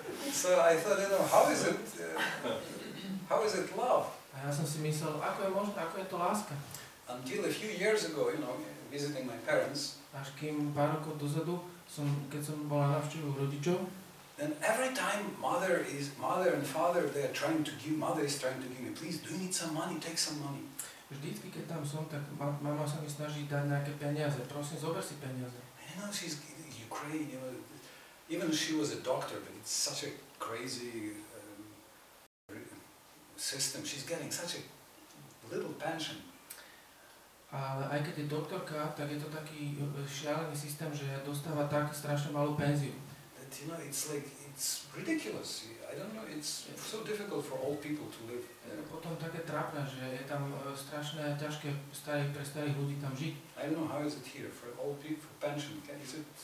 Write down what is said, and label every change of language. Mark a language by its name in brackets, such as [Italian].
[English] So I thought, you know, how is it love? [Slovak] A ja som si myslel, ako je to láska? [English] Until a few years ago, you know, visiting my parents. [Slovak] Až kým pár rokov dozadu, keď som bol na návštevu rodičov. [English] And every time mother and father, they are trying to give, mother is trying to give me, please, do you need some money, take some money. [Slovak] Vždycky, keď tam som, tak mama sa mi snaží dať nejaké peniaze, prosím, zober si peniaze. [English] And you know, she's Ukraine, you know, even she was a doctor, but it's such a crazy system, she's getting such a little pension. [Slovak] Ale aj keď je doktorka, tak je to taký šialený systém, že dostáva tak strašne malú penziu. [English] That that, you know, it's like, it's ridiculous. I don't know, it's so difficult for old people to live. [Slovak] Potom také trápne, že je tam strašné ťažké pre starých ľudí tam žiť. [English] I don't know, how is it here for old people, for pension, is it?